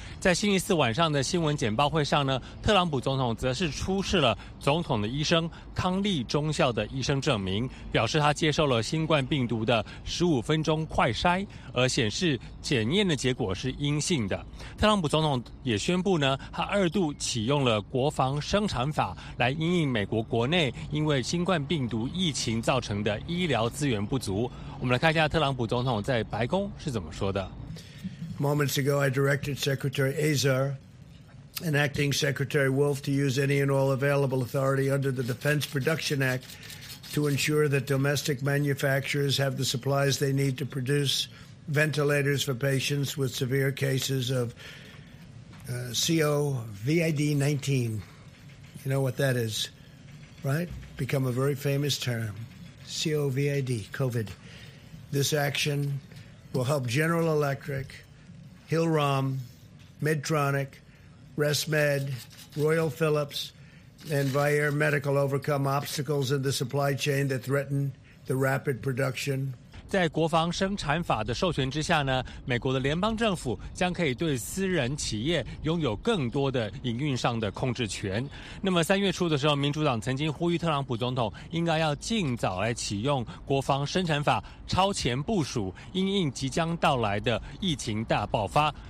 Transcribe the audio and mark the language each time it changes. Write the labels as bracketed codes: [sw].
[zh] 在星期四晚上的新闻简报会上呢，特朗普总统则是出示了总统的医生康利中校的医生证明，表示他接受了新冠病毒的15分钟快筛，而显示检验的结果是阴性的。特朗普总统也宣布呢，他二度启用了国防生产法来因应美国国内因为新冠病毒疫情造成的医疗资源不足。我们来看一下特朗普总统在白宫是怎么说的。 [en] Moments ago, I directed Secretary Azar and Acting Secretary Wolf to use any and all available authority under the Defense Production Act to ensure that domestic manufacturers have the supplies they need to produce ventilators for patients with severe cases of COVID-19. You know what that is, right? Become a very famous term, COVID, COVID. This action will help General Electric, Hillrom, Medtronic, ResMed, Royal Philips, and Vyaire Medical overcome obstacles in the supply chain that threaten the rapid production. [zh] 在国防生产法的授权之下呢，美国的联邦政府将可以对私人企业拥有更多的营运上的控制权。那么三月初的时候，民主党曾经呼吁特朗普总统应该要尽早来启用国防生产法，超前部署因应即将到来的疫情大爆发。